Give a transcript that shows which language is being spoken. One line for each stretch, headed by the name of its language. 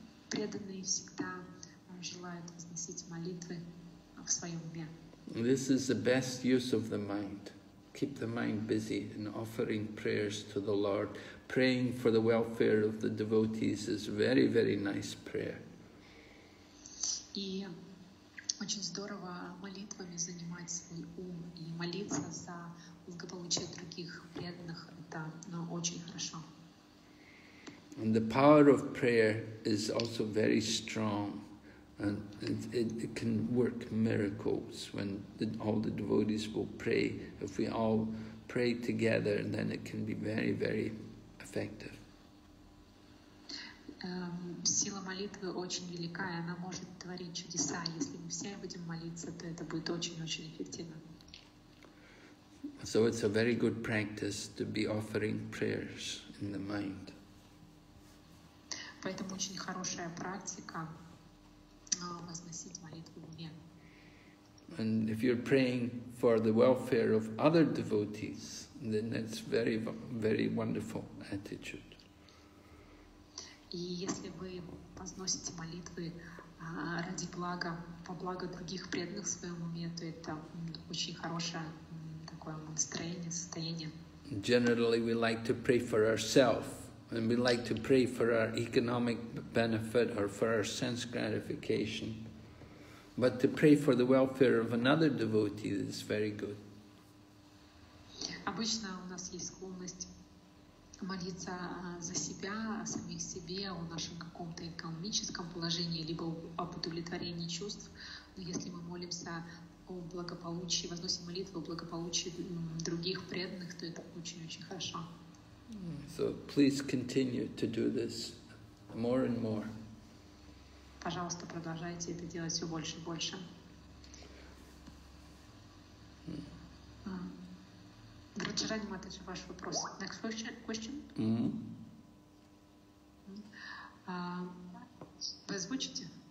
Russian: Преданные всегда желают возносить молитвы в своем уме.
English: This is the best use of the mind. Keep the mind busy in offering prayers to the Lord. Praying for the welfare of the devotees is very, very nice prayer.
Russian: И очень здорово молитвами занимать свой ум и молиться за благополучие других преданных. Это очень хорошо.
English: And the power of prayer is also very strong, and it can work miracles when all the devotees will pray. If we all pray together, then it can be very, very effective.
Russian: Сила молитвы очень велика, и она может творить чудеса. Если мы все будем молиться, то это будет очень-очень эффективно.
English: So it's a very good practice to be offering prayers in the mind.
Russian: Поэтому очень хорошая практика возносить молитву в уме.
English: And if you're praying for the welfare of other devotees, then that's very, very wonderful attitude.
Russian: И если вы возносите молитвы ради блага, по благо других преданных в своем уме, то это очень хорошее такое настроение, состояние.
English: Generally, we like to pray for ourselves. And we like to pray for our economic benefit or for our sense gratification. But to pray for the welfare of another devotee is very good.
Russian: Обычно у нас есть склонность молиться за себя, о самих себе, о нашем каком-то экономическом положении, либо об удовлетворении чувств. Но если мы молимся о благополучии, возносим молитву о благополучии других преданных, то это очень-очень хорошо.
English: So please continue to do this more and more.
Russian: Пожалуйста, продолжайте это делать все больше и больше. Раджарани Матаджи, ваш вопрос.
English: Next question.
Russian: Вы озвучите?